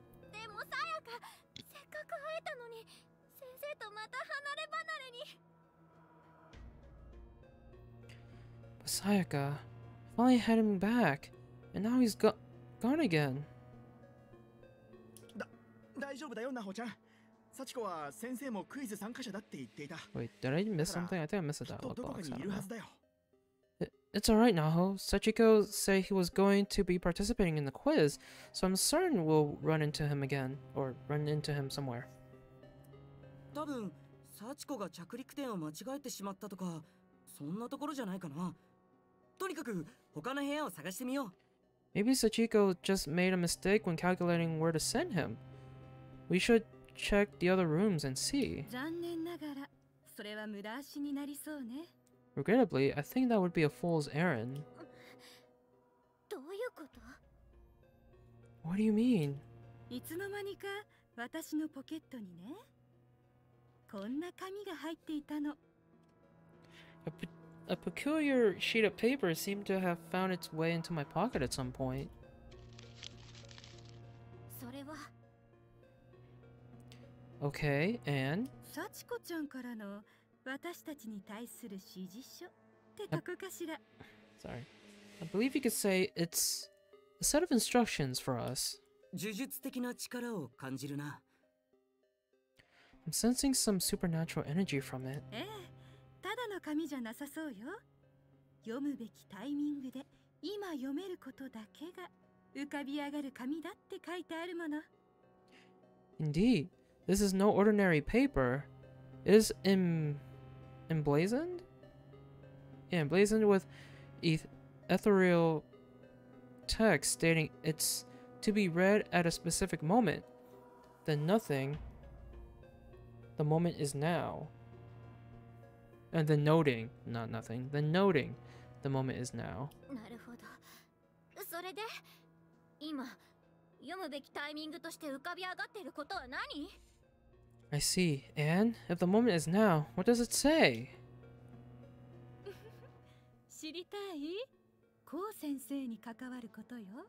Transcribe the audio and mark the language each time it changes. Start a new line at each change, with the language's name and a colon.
Japanese: でも、さやか、せっかく会えたのに、先生とまた離れ離れに。
English: But Sayaka, finally had him back, and now he's gone again.
Japanese: 大丈夫だよ、なほちゃん。サチコは先生もクイズ参加者だって言っていた。
English: Wait, did I miss something? I think I missed a dialogue box. I don't know. It's alright, Naho. Sachiko said he was going to be participating in the quiz, so I'm certain we'll run into him again, or run into him somewhere.
Japanese: 多分、サチコが着陸点を間違えてしまったとか、そんなところじゃないかな。とにかく、他の部屋を探してみよう。
English: Maybe Sachiko just made a mistake when calculating where to send him. We shouldcheck the other rooms and see.
Japanese: 残念ながら、それは無駄足になりそうね。
English: Regrettably, I think that would be a fool's errand.
Japanese: どういうこと?
English: What do you mean?
Japanese: いつの間にか、私のポケットにね、こんな紙が入っていたの。
English: A peculiar sheet of paper seemed to have found its way into my pocket at some point.
Japanese: それは…
English: Okay, and?
Japanese: Sachiko-chan からの私たちに対する指示書ってとこかしら?
English: Sorry. I believe you could say it's a set of instructions for us.
Japanese: 呪術的な力を感じるな。
English: I'm sensing some supernatural energy from it.
Japanese: ええ、ただの紙じゃなさそうよ。読むべきタイミングで今読めることだけが浮かび上がる紙だって書いてあるもの。
English: Indeed. This is no ordinary paper. It is emblazoned? Yeah, emblazoned with ethereal text stating it's to be read at a specific moment. Then nothing. The moment is now. And then noting. Not nothing. Then noting. The moment is now.
Japanese: なるほど。それで、今、読むべきタイミングとして浮かび上がっていることは何？
English: I see. And if the moment is now, what does it say?
Japanese: 知りたい？コウ先生に関わることよ。